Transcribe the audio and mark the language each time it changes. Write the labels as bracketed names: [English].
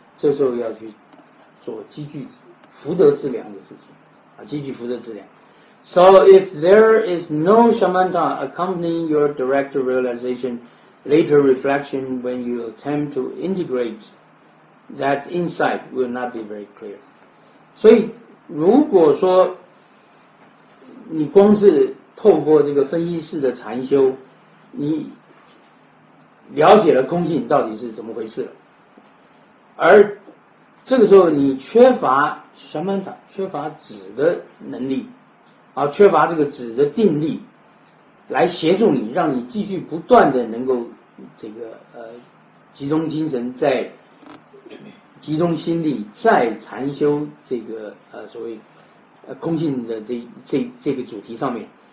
[Chinese] 这时候要去做积聚福德资粮的事情啊，积聚福德资粮。 [English] So if there is no shamatha accompanying your direct realization, later reflection when you attempt to integrate that insight will not be very clear. [Chinese] 所以如果说你光是透过这个分析式的禅修，你了解了空性到底是怎么回事了，而这个时候你缺乏什么的，缺乏止的能力啊，缺乏这个止的定力来协助你，让你继续不断的能够这个集中精神，在集中心力，在禅修这个所谓空性的这个主题上面。